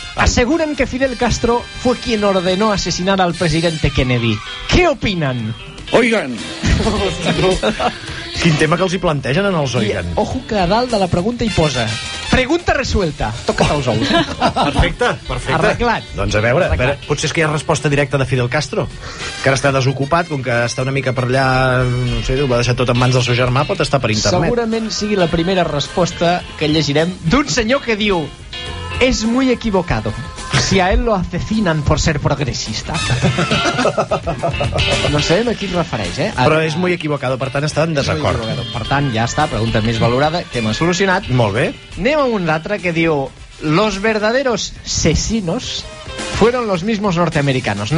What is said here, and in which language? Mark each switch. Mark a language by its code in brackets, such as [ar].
[es] Aseguren que Fidel Castro fue quien ordenó asesinar al presidente Kennedy. ¿Qué opinan? Oigan! [ca] Quin tema que els hi plantegen en els Oigan. I, [es] ojo que [ca] a dalt de la pregunta hi posa... [es] pregunta resuelta. [ca] Toca't els ous. Perfecte, perfecte. Arreglat. Doncs a veure, potser és que hi ha resposta directa de Fidel Castro, que ara està desocupat, com que està una mica per allà, no sé, ho va deixar tot en mans del seu germà, pot estar per internet. Segurament sigui la primera resposta que llegirem d'un senyor que diu: [es] es muy equivocado. Si a él lo asesinan por ser progresista. [ca] No sé a qui es refereix, eh? Però és [es] muy equivocado, [ca] per tant, està en desacord. Per tant, ja està, pregunta més valorada, tema solucionat. Molt bé. Anem a un altre que diu: [es] los verdaderos asesinos fueron los mismos norteamericanos.